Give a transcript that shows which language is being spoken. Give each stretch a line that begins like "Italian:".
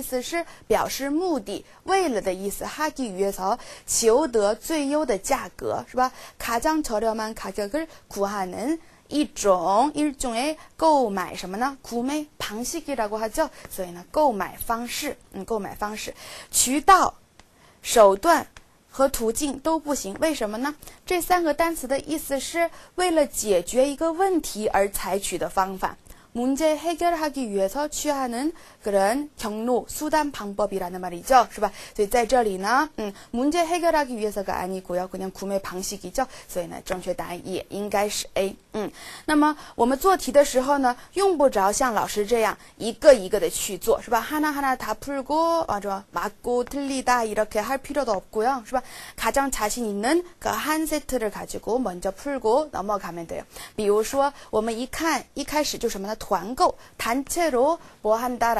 Chinese: 其他三个都不对嘛，所以答案只能是A。但是很多同学可能不太放心，所以呢，我们再来看下面一组，第二组，他说提升买家与商家的议价能力以，同学们记得吗？刚才我们讲过，以的意思是表示目的，为了的意思， 하기 위해서 求得最优的价格，是吧？
Korean: 가장 저렴한 가격을 구하는 一种，一种의 购买什么呢？ 구매 방식이라고 하죠.
Chinese: 所以呢， 购买方式，购买方式，渠道、手段和途径都不行。为什么呢？这三个单词的意思是为了解决一个问题而采取的方法。
Korean: 문제 해결하기 위해서 취하는 그런 경로, 수단 방법이라는 말이죠.
Chinese: 是吧?所以在这里呢, 문제 해결하기 위해서가 아니고요. 그냥 구매 방식이죠. 所以呢,正确答案也应该是A. 那么,我们做题的时候呢, 用不着像老师这样,一个一个的去做, 是吧?
Korean: 하나하나 다 풀고, 맞고, 틀리다, 이렇게 할 필요도 없고요.
Chinese: 是吧?
Korean: 가장 자신 있는 그 한 세트를 가지고 먼저 풀고 넘어가면 돼요.
Chinese: 比如说,我们一看,一开始就什么呢? 团购， 단체로 뭐 한다라.